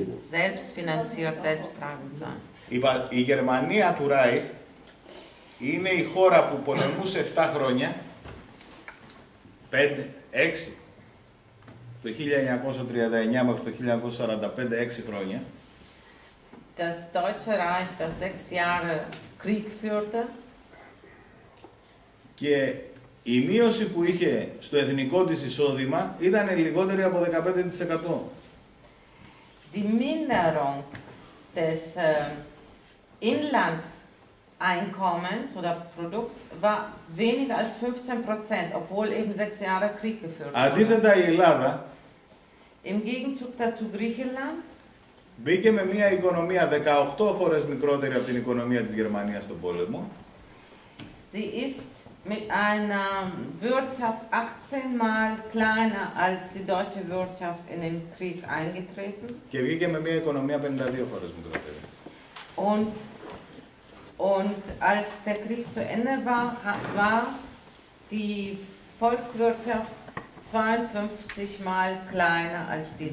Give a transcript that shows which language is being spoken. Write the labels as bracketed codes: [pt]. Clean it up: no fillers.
[de] Selbstfinanziert, selbsttragend sein. [el] Η Γερμανία του Ράιχ είναι η χώρα που πολεμούσε 7 χρόνια, 5, 6, το 1939 μέχρι το 1945, 6 χρόνια. [de] Das Deutsche Reich, das 6 Jahre Krieg führte. [el] Και η μείωση που είχε στο εθνικό της εισόδημα ήταν λιγότερη από 15%. [de] Die Minderung des Inlandseinkommens oder Produkts war weniger als 15%, obwohl eben 6 Jahre Krieg geführt wurde. [el] Αντίθετα η Ελλάδα, [de] im Gegenzug dazu Griechenland, [el] μπήκε με μια οικονομία 18 φορές μικρότερη από την οικονομία της Γερμανίας στον πόλεμο. [de] Sie ist mit einer Wirtschaft 18 Mal kleiner als die deutsche Wirtschaft in den Krieg eingetreten. [el] Και βγήκε με μια οικονομία 52 φορές μικρότερη. [de] Und als der Krieg zu Ende war die Volkswirtschaft 52 Mal kleiner als die